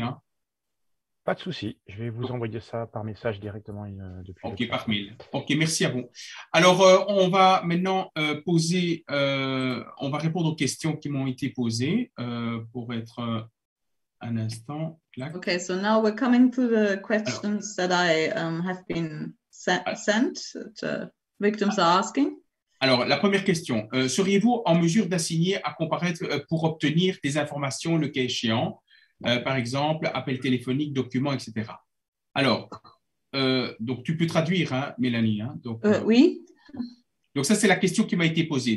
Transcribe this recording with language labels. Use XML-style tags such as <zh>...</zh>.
<fr>Hein. Pas de souci. Je vais vous envoyer ça par message directement depuis. OK, par mail. OK, merci à vous. Alors, on va maintenant poser, on va répondre aux questions qui m'ont été posées pour être un instant. Clac.</fr> <en>OK, so now we're coming to the questions alors, that I have been sent, that victims are asking.</en> <fr>Alors, la première question, seriez-vous en mesure d'assigner à comparaître pour obtenir des informations le cas échéant, par exemple, appel téléphonique, documents, etc. Alors, donc tu peux traduire, hein, Mélanie. Hein, donc, oui. Donc, ça, c'est la question qui m'a été posée.</fr>